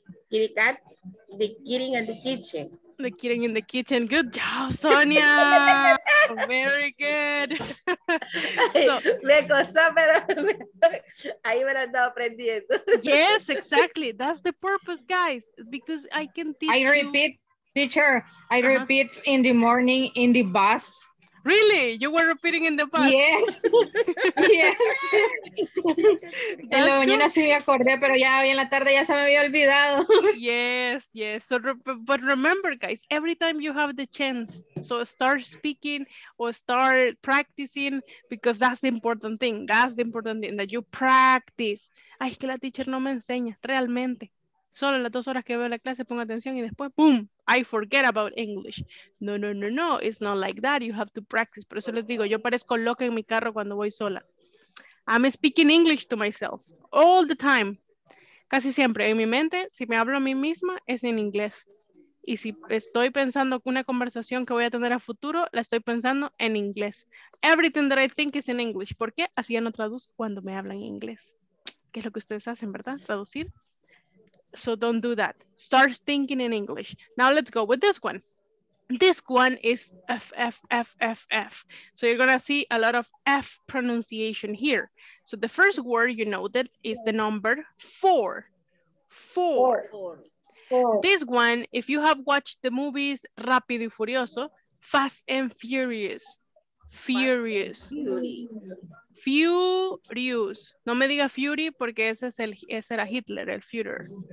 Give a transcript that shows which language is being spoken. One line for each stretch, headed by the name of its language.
English: Kitty cat. The kitten in the kitchen. The kitten in the kitchen. Good job, Sonia. Very good.
Spanish: So, me costó, pero ahí me lo estaba aprendiendo.
English: Yes, exactly. That's the purpose, guys. Because I can teach I repeat, you. Teacher, I repeat in the morning in the bus. Really? You were repeating in the bus? Yes. Yes.
Spanish: En la mañana sí me acordé, pero ya hoy en la tarde ya se me había olvidado.
English: Yes, yes. So, but remember, guys, every time you have the chance, so start speaking or start practicing, because that's the important thing. That's the important thing, that you practice.
Spanish: Ay, es que la teacher no me enseña, realmente. Solo las dos horas que veo la clase, pongo atención y después, boom,
English: I forget about English. No, no, no, no, it's not like that. You have to practice.
Spanish: Por eso les digo, yo parezco loca en mi carro cuando voy sola.
English: I'm speaking English to myself all the time.
Spanish: Casi siempre en mi mente, si me hablo a mí misma, es en inglés. Y si estoy pensando una conversación que voy a tener a futuro, la estoy pensando en inglés.
English: Everything that I think is in English.
Spanish: ¿Por qué? Así ya no traduzco cuando me hablan en inglés. ¿Qué es lo que ustedes hacen, verdad? Traducir.
English: So don't do that. Start thinking in English. Now let's go with this one. This one is F, F, F, F, F. So you're going to see a lot of F pronunciation here. So the first word you noted is the number four. Four. This one, if you have watched the movies Rápido y Furioso, Fast and Furious. Furious. Furious.
Spanish: No me diga Fury porque ese es el, ese era Hitler, el Führer.